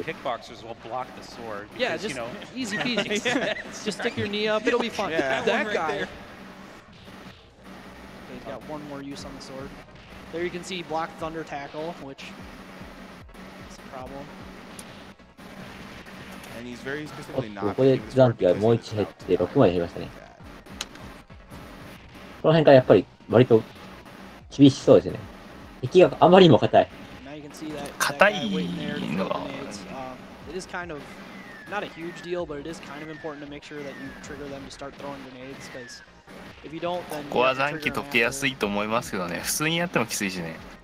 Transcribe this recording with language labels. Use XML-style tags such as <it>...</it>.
<en>Kickboxers will block the sword. Yeah, just easy peasy. Just stick your knee up, it'll be fine. That guy. Okay, he's got one more use on the sword. There you can see block thunder tackle, which is a problem.</en> <ja>あとここで残機がもう1減って6まで減りましたね。この辺からやっぱり割と厳しそうですね。敵があまりにも硬い。硬いのが。</ja> <en>It is kind of not a huge deal, but it is kind of important to make sure that you trigger them to start throwing grenades because if you don't, then</en> <ja>ここは残機溶けやすいと思いますけどね。普通にやってもきついしね。</ja>